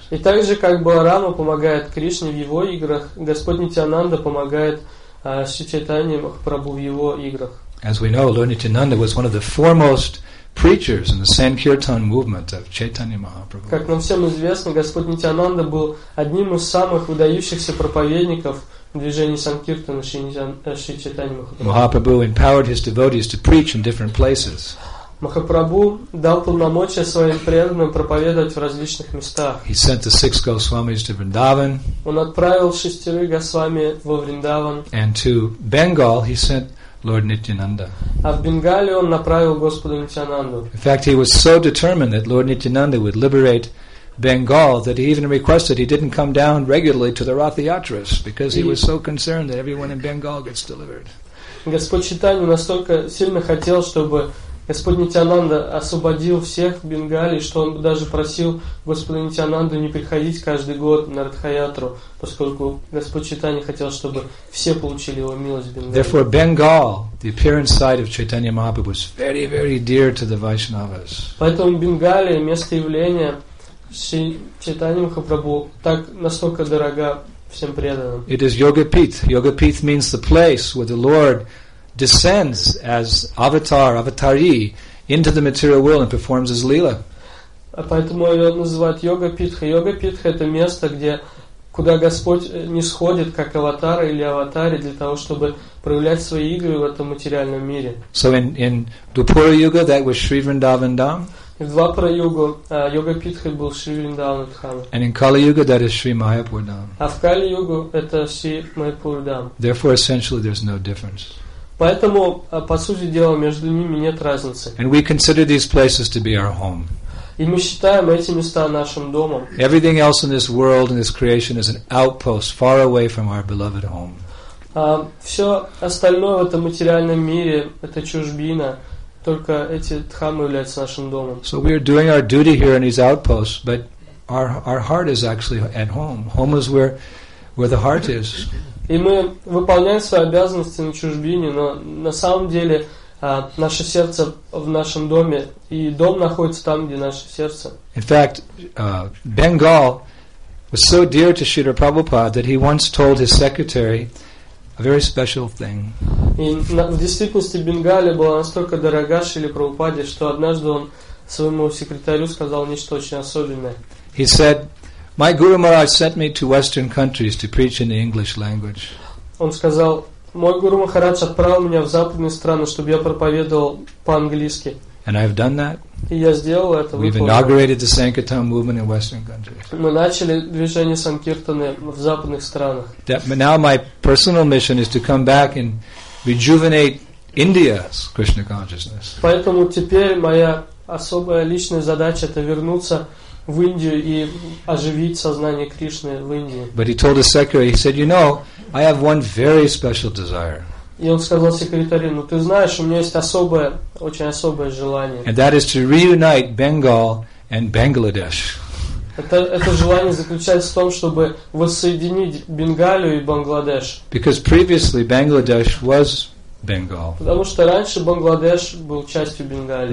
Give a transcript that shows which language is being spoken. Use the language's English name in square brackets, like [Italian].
[Russian] И так же, как Баларама помогает Кришне в его играх, Господь Нитьянанда помогает Шри Чайтанье Махапрабху в его играх. [English] As we know, Lord Nityananda was one of the foremost preachers in the Sankirtan movement of Chaitanya Mahaprabhu. [Russian] Как нам всем известно, Господь Нитьянанда был одним из самых выдающихся проповедников в движении Санкиртана Шри Чайтанья Махапрабху. [English] Mahaprabhu empowered his devotees to preach in different places. [Russian] Махапрабху дал полномочия своим преданным проповедовать в различных местах. [English] He sent the six Госвамис to Vrindavan. [Russian] Он отправил шестерых Госвами во Вриндаван. [English] And to Bengal he sent Lord Nityananda. [Russian] А в Бенгалии он направил Господа Нитьянанду. [English] In fact, he was so determined that Lord Nityananda would liberate Bengal that he even requested he didn't come down regularly to the Ratha Yatras because he was so concerned that everyone in Bengal gets delivered. [Russian] Господь Чайтанья настолько сильно хотел, чтобы Господь Нитьянанда освободил всех в Бенгалии, что он даже просил Господа Нитьянанду не приходить каждый год на Радхаятру, поскольку Господь Чайтанья хотел, чтобы все получили его милость в Бенгалии. [English] Therefore, Bengal, the appearance site of Chaitanya Mahaprabhu, was very, very dear to the Vaishnavas. [Russian] Поэтому Бенгалия, место явления Шри Чайтанья Махапрабху, так настолько дорога всем преданным. [English] It is Yogapith. Yogapith means the place where the Lord descends as avatari into the material world and performs his leela. [Russian] Поэтому его называют Йога-питха. Йога-питха — это место, куда Господь нисходит как аватар или аватари для того, чтобы проявлять свои игры в этом материальном мире. [English] So in Dvapara Yuga, that was Sri Vrindavan Dham. [Russian] В Двапара Югу Йога-питха был Шри Вриндаван Дхам. [English] And in Kali Yuga, that is Sri Mayapur Dham. [Russian] А в Кали-югу это Шри Майяпур Дхам. [English] Therefore, essentially, there's no difference. [Russian] Поэтому, по сути дела, между ними нет разницы. [English] And we consider these places to be our home. [Russian] И мы считаем эти места нашим домом. [English] Everything else in this world and this creation is an outpost far away from our beloved home. [Russian] Все остальное в этом материальном мире — это чужбина. Только эти дхаммы являются нашим домом. [English] So we are doing our duty here in these outposts, but our heart is actually at home. Home is where the heart is. [Russian] И мы выполняем свои обязанности на чужбине, но на самом деле наше сердце в нашем доме, и дом находится там, где наше сердце. [English] In fact, Bengal was so dear to Srila Prabhupada that he once told his secretary a very special thing. [Russian] И в действительности Бенгали была настолько дорога Шриле Прабхупаде, что однажды он своему секретарю сказал нечто очень особенное. [English] He said, "My Guru Maharaj sent me to Western countries to preach in the English language." [Russian] Он сказал, мой Гуру Махарадж отправил меня в западные страны, чтобы я проповедовал по-английски. [English] And I've done that. [Russian] И я сделал это. [English] We've inaugurated the Sankirtan movement in Western countries. [Russian] Мы начали движение Санкиртаны в западных странах. [English] Now my personal mission is to come back and rejuvenate India's Krishna consciousness. [Russian] Поэтому теперь моя особая личная задача — это вернуться в Индию и оживить сознание Кришны в Индии. [English] But he told the secretary, he said, "You know, I have one very special desire." [Russian] И он сказал секретарю, ну ты знаешь, у меня есть особое, очень особое желание. [English] And that is to reunite Bengal and Bangladesh. [Russian] Это желание заключается в том, чтобы воссоединить Бенгалию и Бангладеш. [English] Because previously Bangladesh was Bengal. [Russian] Потому что раньше Бангладеш был частью Бенгалии.